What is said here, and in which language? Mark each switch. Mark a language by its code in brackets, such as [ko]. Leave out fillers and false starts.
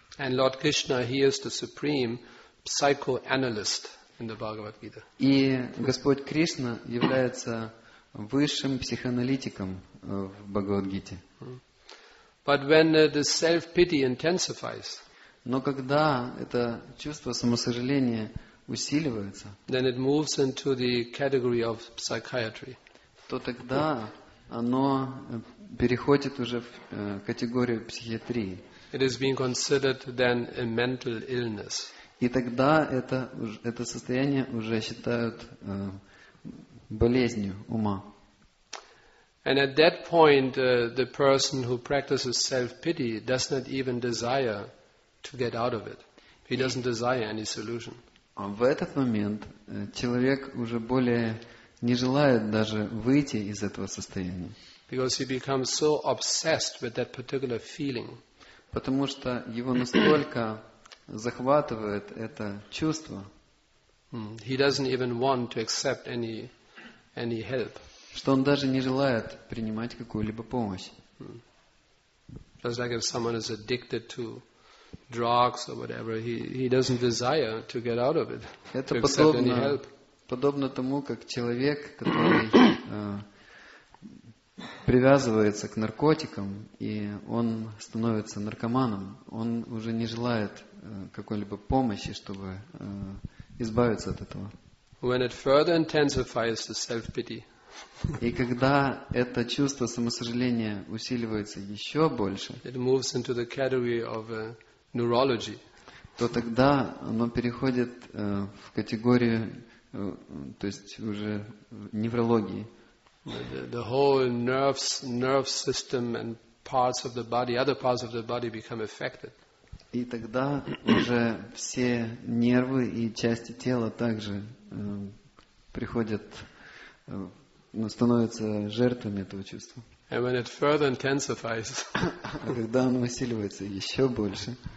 [en] And Lord Krishna, he is the supreme psychoanalyst in the Bhagavad Gita. [ru] И Господь Кришна является высшим психоаналитиком в Бхагавад-гите. [en] But when the self-pity intensifies, [ru] но когда это чувство самосожаления усиливается, [en] then it moves into the category of psychiatry. [ru] То тогда оно переходит уже в категорию психиатрии. [en] It is being considered then a mental illness. [ru] И тогда это состояние уже считают болезнью ума. [en] And at that point, the person who practices self-pity does not even desire to get out of it. He doesn't desire any solution. [ru] В этот момент человек уже более не желает даже выйти из этого состояния. [en] Because he becomes so obsessed with that particular feeling. [ru] Потому что его настолько захватывает это чувство. [en] He doesn't even want to accept any help. [ru] Что он даже не желает принимать какую-либо помощь. [en] Just like if someone is addicted to drugs or whatever, he doesn't desire to get out of it. [ru] Это подобно тому, как человек, который привязывается к наркотикам, и он становится наркоманом, он уже не желает какой-либо помощи, чтобы избавиться от этого. [en] When it further intensifies the self-pity. [ru] И когда это чувство самосожаления усиливается еще больше, [en] it moves into the category of neurology. [ru] То тогда оно переходит в категорию, то есть уже неврологии. [en] The whole nerve system and parts of the body, other parts of the body become affected. [ru] И тогда уже все нервы и части тела также приходят, становятся жертвами этого чувства. [en] And when it further intensifies, [ru] а когда оно усиливается еще больше,